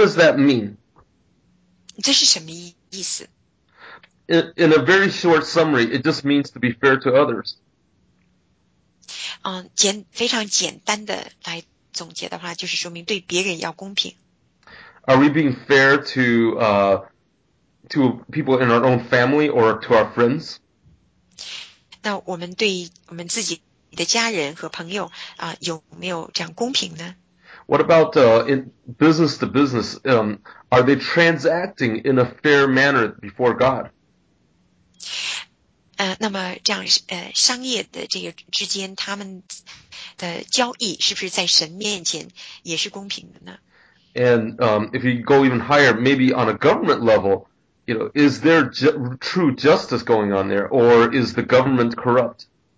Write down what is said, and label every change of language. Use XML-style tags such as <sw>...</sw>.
<en>does that mean?</en> <zh>这是什么意思？</zh> <en>In a very short summary, it just means to be fair to others.</en> <zh>非常简单的来总结的话，就是说明对别人要公平。</zh> <en>Are we being fair to people in our own family or to our friends?</en> <zh>那我们对我们自己的家人和朋友有没有这样公平呢？</zh> <en>What about in business to business? Are they transacting in a fair manner before God?</en> <zh>那么这样商业的这个之间，他们的交易是不是在神面前也是公平的呢？</zh> <en>And if you go even higher, maybe on a government level. You know, is there true justice going on there, or is the government corrupt?</en>